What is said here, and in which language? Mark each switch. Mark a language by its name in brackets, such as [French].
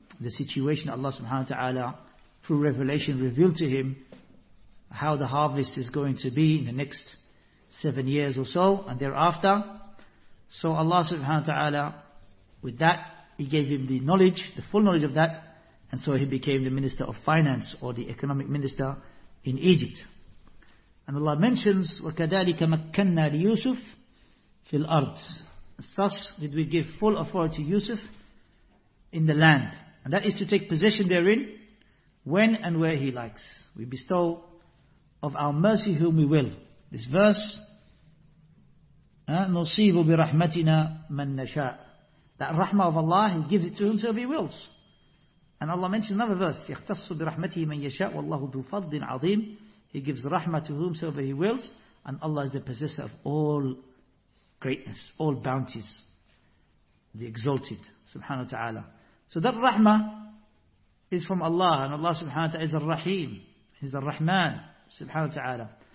[English] situation, Allah subhanahu wa ta'ala through revelation revealed to him how the harvest is going to be in the next 7 years or so and thereafter. So Allah subhanahu wa ta'ala, with that, he gave him the knowledge, the full knowledge of that. And so he became the minister of finance, or the economic minister in Egypt. And Allah mentions, [Arabic] وَكَذَلِكَ مَكَّنَّا لِيُوسُفْ فِي الْأَرْضِ. [English] Thus did we give full authority to Yusuf in the land. And that is to take possession therein, when and where he likes. We bestow of our mercy whom we will. This verse, [Arabic] نُصِيبُ بِرَحْمَتِنَا مَنْ نَشَاءُ. [English] That rahmah of Allah, he gives it to whomsoever he wills. And Allah mentions another verse, [Arabic] يَخْتَصُّ بِرَحْمَتِهِ مَنْ يَشَاءُ وَاللَّهُ ذُو فَضٍ عَظِيمٍ. [English] He gives rahmah to whomsoever he wills, and Allah is the possessor of all greatness, all bounties, the exalted, subhanahu wa ta'ala. So that rahmah is from Allah, and Allah subhanahu wa ta'ala is al-Rahim, He's al-Rahman, subhanahu wa ta'ala.